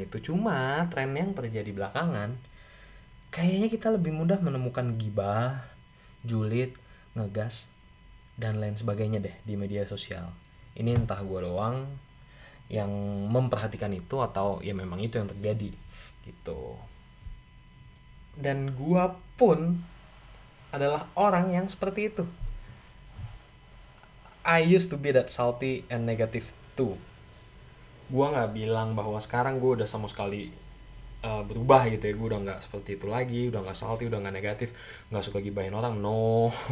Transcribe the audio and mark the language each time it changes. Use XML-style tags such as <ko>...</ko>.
<id>Itu cuma tren yang terjadi belakangan, kayaknya kita lebih mudah menemukan gibah, julid, ngegas, dan lain sebagainya deh di media sosial. Ini entah gue doang yang memperhatikan itu, atau ya memang itu yang terjadi gitu. Dan gue pun adalah orang yang seperti itu.</id> <en>I used to be that salty and negative too.</en> <id>Gua gak bilang bahwa sekarang gua udah sama sekali berubah gitu ya. Gua udah gak seperti itu lagi, udah gak salty, udah gak negatif, gak suka gibahin orang, no.</id>